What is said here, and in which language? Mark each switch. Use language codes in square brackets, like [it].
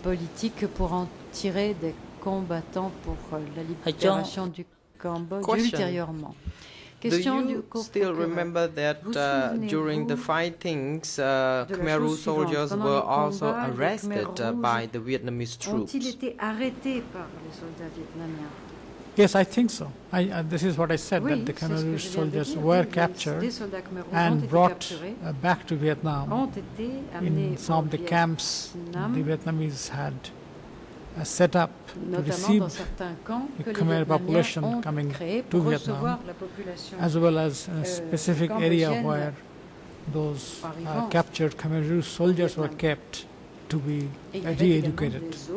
[fr] Politique pour en tirer des combattants pour la libération du Cambodge ultérieurement. [en] Do you still remember that during the fightings, Khmer Rouge soldiers were also arrested by the Vietnamese troops? [fr] Ont-ils été arrêtés par les soldats vietnamiens? [en] Yes, I think so. This is what I said, that the Khmer Rouge soldiers were captured and brought back to Vietnam. In some of the camps the Vietnamese had set up to receive the Khmer population coming to Vietnam, as well as a specific area where those captured Khmer Rouge soldiers were kept to be re-educated.